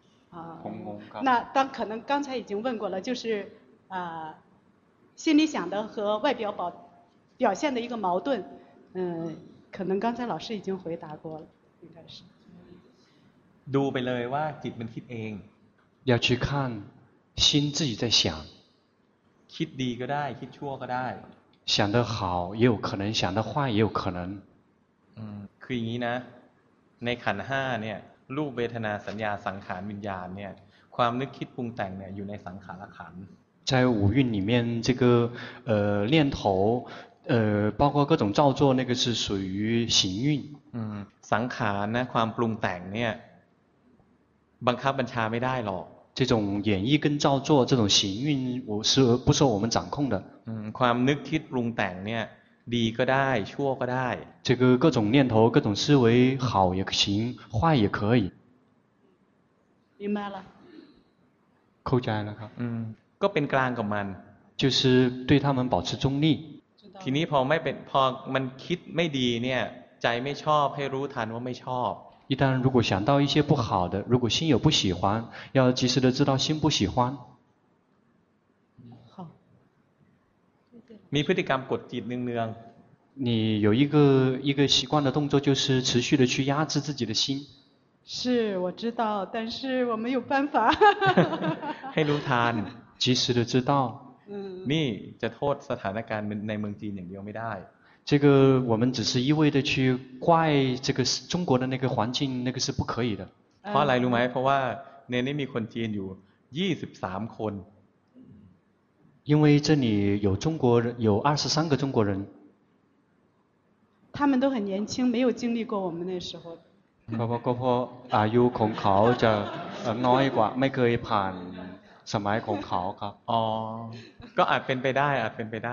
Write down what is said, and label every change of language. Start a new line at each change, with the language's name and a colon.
Chinese: 啊那当可能刚才已经问过了就是心里想的和外表表现的一个矛盾可能刚才老师已经回答过了应该是
Thai: ดูไปเลยว่าจิตมันคิดเอง
Chinese: 要去看心自己在想
Thai: คิดดีก็ได้คิดชั่วก็ได้
Chinese: 想得好也有可能想得坏也有可能
Thai: คืออย่างนี้นะในขันห้าเนี่ยรูปเวทนาสัญญาสังขารวิญญาณเนี่ยค ความนึกคิดปรุงแต่งเนี่ยอยู่ในสังขารขัน
Chinese: ธ์在五蕴里面这个念头包括各种造作那个是属于行运
Thai: สังขารนะความปรุงแต่งเนี่ยบังคับบัญชาไม่ได้หรอก
Chinese: 这种演绎跟造作这种行运我是不受我们掌控的
Thai: ความนึกคิดปรุงแต่งเนี่ยดีก็ได้ชั่วก็ได้
Chinese: 这个各种念头各种思维好也行坏也可以明白了
Thai: เข้าใจนะครับ ก็เป็นกลางกับมัน
Chinese: 就是对他们保持中立
Thai: ทีนี้พอไม่เป็นพอมันคิดไม่ดีเนี่ยใจไม่ชอบให้รู้ทันว่าไม่ชอบ
Chinese: 一旦如果想到一些不好的如果心有不喜欢要及时的知道心不喜欢好
Thai: มีพฤติกรรมกดจิตเนือง
Chinese: ๆ你有一个习惯的动作就是持续的去压制自己的心是我知道但是我没有办法
Thai: ให้รู้ทัน
Chinese: 及时的知道
Thai: นี่จะโทษสถานการณ์ในเมืองจีนอย่างเดียวไม่ได้
Chinese: 这个我们只是一味的去怪这个中国的那个环境那个是不可以的
Thai: เพราะอะไรรู้ไหมเพราะว่าในนี้มีคนจีนอยู่23คน
Chinese: 因为这里有中国人有23个中国人他们都很年轻没有经历过我们那时候
Thai: เพราะว่าอายุของเขาจะน้อยกว่าไม่เคยผ่านสมัยของเขาครับ อ๋อก็อาจเป็นไปได้อาจเป็นไปได